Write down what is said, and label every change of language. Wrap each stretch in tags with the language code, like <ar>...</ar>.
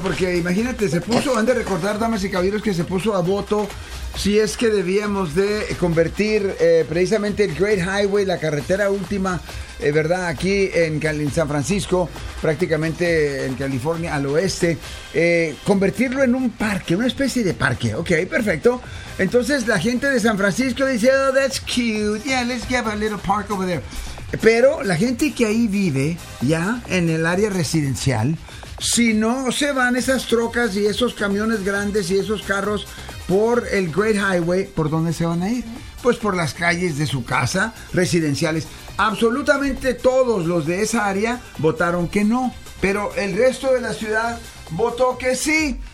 <es>Porque imagínate, se puso, han de recordar, damas y caballeros, que se puso a voto si es que debíamos de convertir precisamente el Great Highway, la carretera última, ¿verdad? Aquí en San Francisco, prácticamente en California, al oeste, convertirlo en un parque, una especie de parque. Ok, perfecto. Entonces la gente de San Francisco dice,</es> <en>oh, that's cute, yeah, let's give a little park over there.</en> <es>Pero la gente que ahí vive, ya, en el área residencial, si no se van esas trocas y esos camiones grandes y esos carros por el Great Highway, ¿por dónde se van a ir? Pues por las calles de su casa, residenciales. Absolutamente todos los de esa área votaron que no, pero el resto de la ciudad votó que sí.</es>